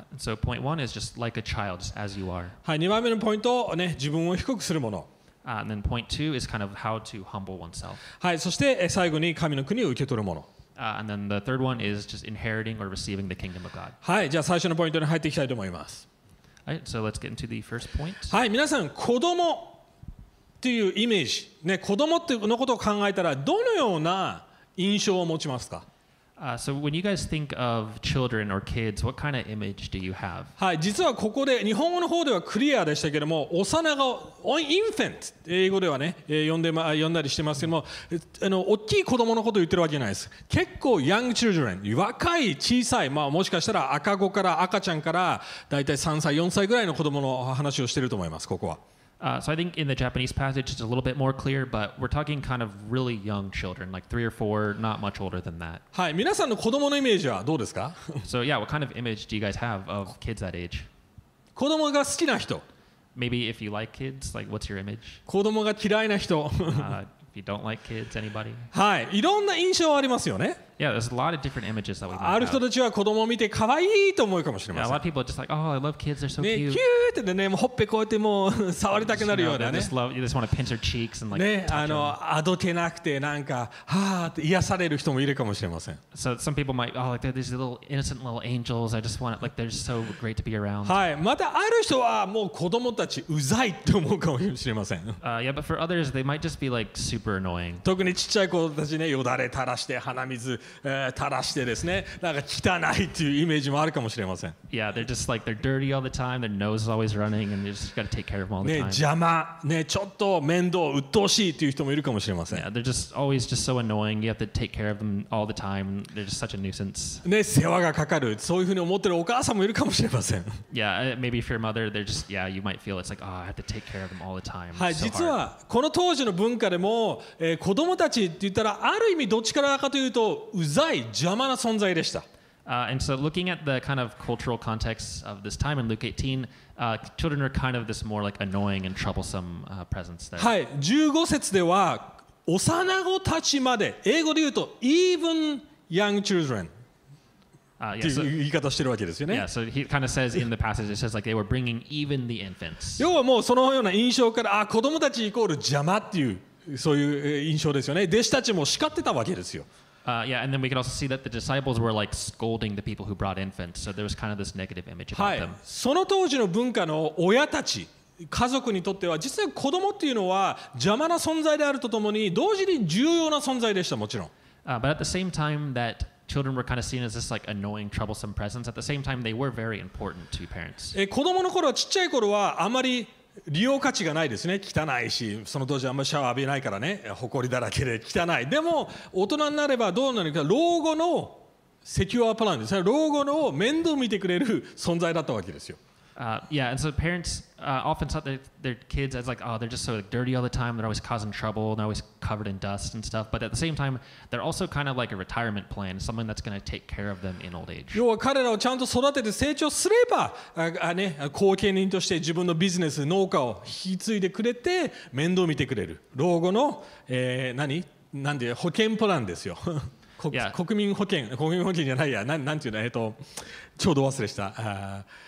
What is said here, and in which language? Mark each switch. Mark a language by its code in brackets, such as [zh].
[en] So, point one is just like a child, just as you are. [ja] はい、2番目のポイント、ね、自分を低くするもの。 [en] And then point two is kind of how to humble oneself. [ja] はい、そして、最後に神の国を受け取るもの。 [en] And then the third one is just inheriting or receiving the kingdom of God. [ja] はい、じゃあ最初のポイントに入っていきたいと思います。 [en] Right, so let's get into the first point. [ja] はい、皆さん子供っていうイメージ、ね、子供ってのことを考えたらどのような印象を持ちますか？ [en] So when you guys think of children or kids, what kind of image do you have? [ja] はい、実はここで日本語の方ではクリアでしたけども、幼子、infant、英語ではね、呼んだりしてますけども、大きい子供のことを言ってるわけじゃないです。結構 [en] young children、 [ja] 若い小さい、まあもしかしたら赤子から赤ちゃんからだいたい3歳4歳ぐらいの子供の話をしてると思います。ここは。 [en] So I think in the Japanese passage it's a little bit more clear, but we're talking kind of really young children, like three or four, not much older than that. [ja] はい、皆さんの子供のイメージはどうですか? [en] So yeah, what kind of image do you guys have of kids that age? [ja] 子供が好きな人。 [en] Maybe if you like kids, like what's your image? [ja] 子供が嫌いな人。 [en] If you don't like kids, anybody? [ja] はい、いろんな印象ありますよね。 [en] Yeah, there's a lot of different images that we have. [ja] ある人たちは子供を見て可愛いと思うかもしれません。 [en] Yeah, a lot of people are just like, oh, I love kids, they're so cute. [ja] ね、キューってね、もうほっぺこうやってもう触りたくなるようなね。 [en] You know, you just want to pinch their cheeks and like touch them. [ja] ね、あどけなくてなんか、はぁーって癒される人もいるかもしれません。 [en] So some people might, oh, like they're these little innocent little angels, I just want it, like they're so great to be around. [ja] はい、またある人はもう子供たちうざいって思うかもしれません。 [en] Yeah, but for others, they might just be like super annoying. [ja] 特にちっちゃい子たちね、よだれ垂らして鼻水垂らしてですね、なんか汚いっていうイメージもあるかもしれません。 [en] Yeah, they're just like they're dirty all the time. Their nose is always running, and you just got to take care of them all the time. [ja] ね、邪魔、ね、ちょっと面倒、鬱陶しいっていう人もいるかもしれません。 [en] Yeah, they're just always just so annoying. You have to take care of them all the time. They're just such a nuisance. [ja] ね、世話がかかる、そういうふうに思ってるお母さんもいるかもしれません。 [en] Yeah, maybe if you're a mother, they're just yeah, you might feel it's like, oh, I have to take care of them all the time. [ja] はい、実はこの当時の文化でも、子供たちって言ったらある意味どっちからかというと。 [en] And so looking at the kind of cultural context of this time in Luke 18, children are kind of this more like annoying and troublesome presence there. [ja] はい、15節では幼子たちまで、英語で言うと [en] even young children [ja] という言い方してるわけですよね。 [en] Yeah, so he kind of says in the passage, it says like they were bringing even the infants. [ja] 要はもうそのような印象から、あ、子供たちイコール邪魔っていうそういう印象ですよね。弟子たちも叱ってたわけですよ。 [en] Yeah, and then we can also see that the disciples were like scolding the people who brought infants. So there was kind of this negative image about them. [ja] その当時の文化の親たち、家族にとっては、実際子供っていうのは邪魔な存在であるとともに、同時に重要な存在でした、もちろん。 [en] But at the same time that children were kind of seen as this like annoying, troublesome presence, at the same time they were very important to parents. [ja] 子供の頃は、ちっちゃい頃はあまり利用価値がないですね。汚いし、その当時あんまりシャワー浴びないからね、埃だらけで汚い。でも大人になればどうなるか、老後のセキュアプランですね。老後の面倒見てくれる存在だったわけですよ。 [en] Yeah, and so parents often thought their kids as like, oh, they're just so like, dirty all the time. They're always causing trouble. They're always covered in dust and stuff. But at the same time, they're also kind of like a retirement plan, something that's going to take care of them in old age. [ja] 要は彼らをちゃんと育てて成長すれば、ね、後継人として自分のビジネス、農家を引き継いでくれて面倒見てくれる。老後の、何なんで保険プランですよ。 yeah. 国民保険、国民保険じゃないや。なんていうの、ちょうど忘れした。